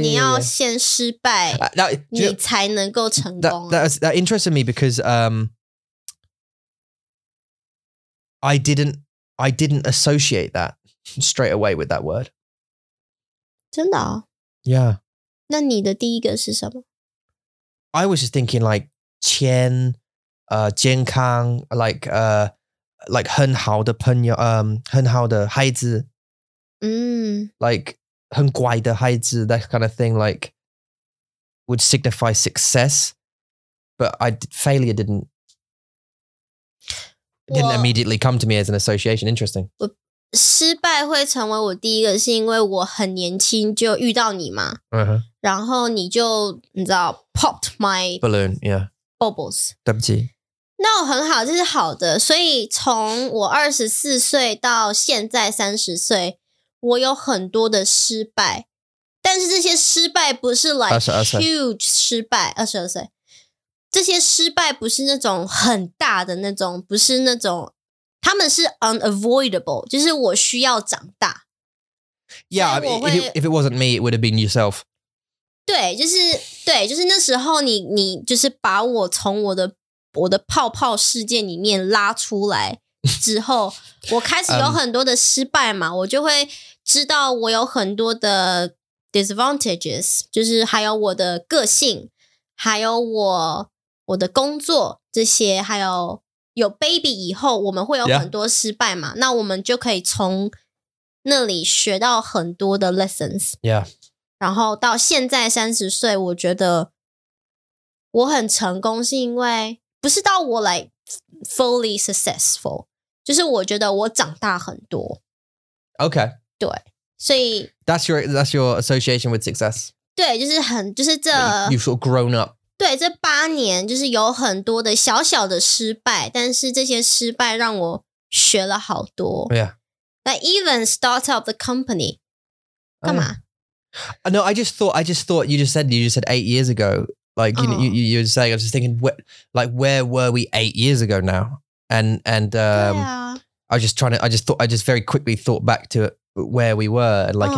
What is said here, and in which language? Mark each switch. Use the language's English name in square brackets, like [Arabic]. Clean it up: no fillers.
[Chinese] 你要先失败你才能够成功。 [English] That interested me because I didn't associate that straight away with that word. [Chinese] 真的啊? [English] Yeah. [Chinese] 那你的第一个是什么? [English] I was just thinking like [Chinese] 钱,健康, [English] like [Chinese] 很好的朋友,很好的孩子, [English] like [Chinese] 很乖的孩子, [English] that kind of thing, like would signify success, but failure didn't. Didn't immediately come to me as an association. Interesting. 我 [Chinese] 失败会成为我第一个，是因为我很年轻就遇到你嘛。 [English] Uh-huh. [Chinese] 然后你就你知道 [English] popped my balloon, yeah, bubbles. [Chinese] 对不起。那我很好，这是好的。所以从我24岁到现在30岁，我有很多的失败，但是这些失败不是 [English] like huge [Chinese] 失败。22岁。这些失败不是那种很大的那种，不是那种，他们是 unavoidable， 就是我需要长大。 [English] Yeah, if it wasn't me, it would have been yourself. [Chinese] 对，就是对，就是那时候你就是把我从我的泡泡世界里面拉出来之后，我开始有很多的失败嘛，我就会知道我有很多的 disadvantages， 就是还有我的个性，还有我。我的工作这些还有 baby 以后我们会有很多失败嘛、yeah. 那我们就可以从那里学到很多的 lessons. [English] Yeah. [Chinese] 然后到现在30岁，我觉得我很成功，是因为不是到我 [English] like fully successful， [Chinese] 就是我觉得我长大很多。 [English] Okay. [Chinese] 对，所以 [English] that's your association with success. [Chinese] 对，就是很就是这 [English] you've sort of grown up. [Chinese] 对，这八年就是有很多的小小的失败，但是这些失败让我学了好多。 [English] Yeah. Like even start up the company. [Chinese] 干嘛？ [English] No, I just thought you just said 8 years ago. Like, you,、oh. you were saying, I was just thinking, where were we 8 years ago now? And I was just trying to, I just very quickly thought back to where we were, like、oh.